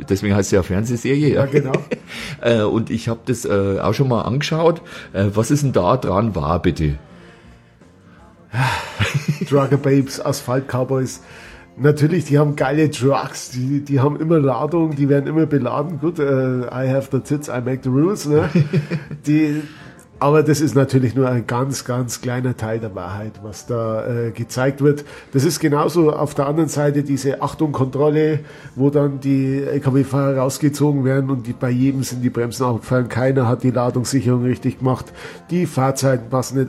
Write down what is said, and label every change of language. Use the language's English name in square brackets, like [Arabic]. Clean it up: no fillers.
[German] Deswegen heißt sie ja Fernsehserie. Ja, genau. Und ich habe das auch schon mal angeschaut. Was ist denn da dran wahr, bitte? Trucker Babes, Asphalt Cowboys. Natürlich, die haben geile Trucks. Die haben immer Ladung, die werden immer beladen. Gut, [English] I have the tits, I make the rules. [German] Ne? Aber das ist natürlich nur ein ganz, ganz kleiner Teil der Wahrheit, was da gezeigt wird. Das ist genauso auf der anderen Seite diese Achtung, Kontrolle, wo dann die LKW-Fahrer rausgezogen werden und bei jedem sind die Bremsen abgefallen. Keiner hat die Ladungssicherung richtig gemacht. Die Fahrzeiten passen nicht.